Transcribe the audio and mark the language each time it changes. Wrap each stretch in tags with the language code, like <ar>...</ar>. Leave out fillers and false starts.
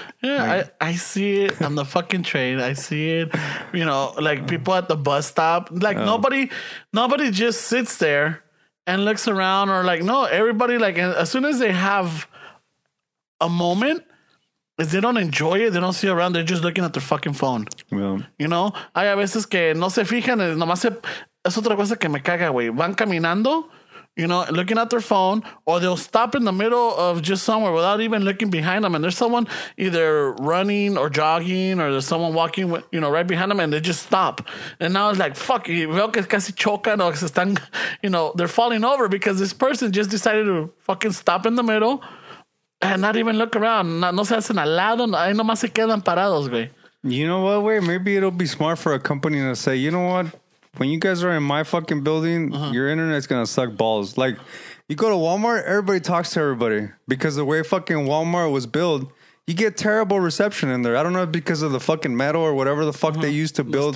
<en>Yeah, like, I see it on the fucking train. I see it, you know, like, people at the bus stop. Like, nobody just sits there and looks around, or like, no, everybody, like, as soon as they have a moment, if they don't enjoy it, they don't see around, they're just looking at their fucking phone. Yeah. You know?</en> <es>Hay a veces que no se fijan, nomás se... Es otra cosa que me caga, güey.</es> <en>Van caminando, you know, looking at their phone, or they'll stop in the middle of just somewhere without even looking behind them, and there's someone either running or jogging, or there's someone walking, you know, right behind them, and they just stop. And now it's like, fuck,</en> <es>veo que casi chocan, o que se están,</es> <en>you know, they're falling over because this person just decided to fucking stop in the middle and not even look around.</en> <es>No se hacen al lado, ahí nomás se quedan parados, güey.</es> <en>You know what, güey? Maybe it'll be smart for a company to say, you know what? When you guys are in my fucking building, uh-huh, your internet's gonna suck balls. Like, you go to Walmart, everybody talks to everybody because the way fucking Walmart was built, you get terrible reception in there. I don't know if because of the fucking metal or whatever the fuck, uh-huh, they used to build</en>